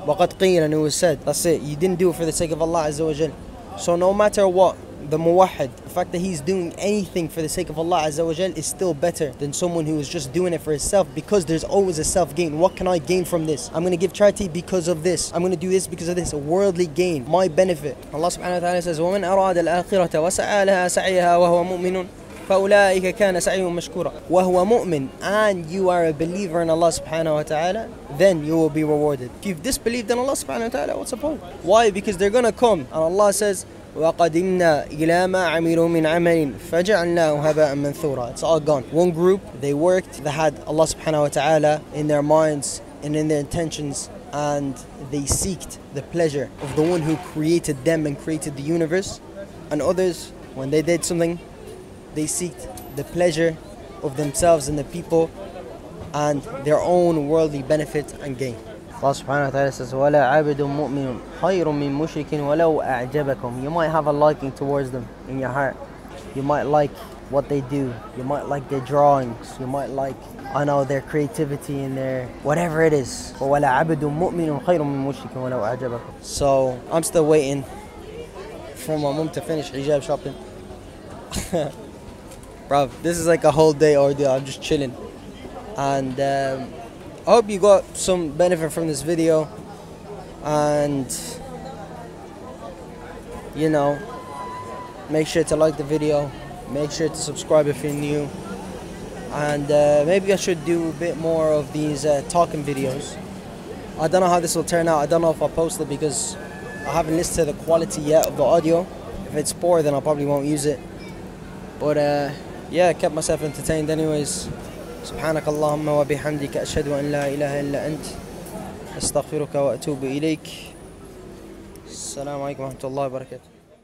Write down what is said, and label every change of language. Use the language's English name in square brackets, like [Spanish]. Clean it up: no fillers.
[Arabic] وَقَدْ قِيلَ, [English] and it was said. That's it. You didn't do it for the sake of Allah Azza wa Jal. So no matter what, the muwahid, the fact that he's doing anything for the sake of Allah Azza wa Jal, is still better than someone who is just doing it for himself, because there's always a self gain. What can I gain from this? I'm going to give charity because of this. I'm going to do this because of this. A worldly gain, my benefit. [Arabic] Allah subhanahu wa ta'ala says, وَمَنْ أَرَادَ الْآخِرَةَ وَسَعَى لَهَا سَعِيهَا وَهُوَ مُؤْمِنٌ فَأُولَٰئِكَ كَانَ سَعِيهُمْ مَشْكُورًا. وَهُوَ مُؤْمِنٌ, [English] and you are a believer in Allah subhanahu wa ta'ala, then you will be rewarded. If you've disbelieved in Allah subhanahu wa ta'ala, what's the point? Why? Because they're going to come, and Allah says, [Arabic] وَقَدِمْنَا إِلَى مَا عَمِلُوا مِنْ عَمَلٍ فَجَعَلْنَاهُ هَبَاءً مَنْثُورًا. [English] It's all gone. One group, they worked, they had Allah subhanahu wa ta'ala in their minds and in their intentions, and they seeked the pleasure of the one who created them and created the universe. And others, when they did something, they seeked the pleasure of themselves and the people and their own worldly benefit and gain. [Arabic] Allah subhanahu wa ta'ala says, وَلَا عَبْدٌ مُؤْمِنٌ خَيْرٌ مِّن مُشْرِكٍ وَلَوْ أَعْجَبَكُمْ. [English] You might have a liking towards them in your heart. You might like what they do. You might like their drawings. You might like, I know, their creativity and their whatever it is. [Arabic] وَلَا عَبْدٌ مُؤْمِنٌ خَيْرٌ مِّن مُشْرِكٍ وَلَوْ أَعْجَبَكُمْ. [English] So, I'm still waiting for my mom to finish hijab shopping. Bro, this is like a whole day ordeal. I'm just chilling. And I hope you got some benefit from this video, and you know, Make sure to like the video. Make sure to subscribe if you're new. And maybe I should do a bit more of these talking videos. I don't know how this will turn out. I don't know if I'll post it because I haven't listened to the quality yet of the audio. If it's poor, then I probably won't use it. But yeah, I kept myself entertained anyways. [Arabic] سبحانك اللهم وبحمدك أشهد أن لا إله إلا أنت أستغفرك وأتوب إليك. السلام عليكم ورحمة الله وبركاته.